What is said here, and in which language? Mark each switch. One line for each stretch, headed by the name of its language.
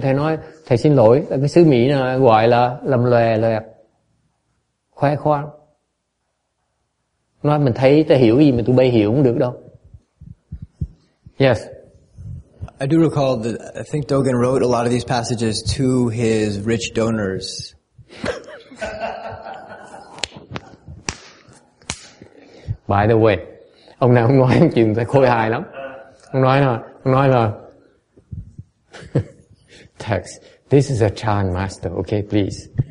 Vietnamese: Thầy nói, thầy xin lỗi, là cái xứ Mỹ này gọi là lầm lòe lòe, khoe khoang. Nói mình thấy, ta hiểu gì mà tụi bay hiểu cũng được đâu.
English: Yes. I do recall that I think Dogen wrote a lot of these passages to his rich donors. By the way,
Vietnamese: ông nào ông nói chuyện thầy khôi hài lắm. Ông nói là text,
English: this is a Chan master, okay, please.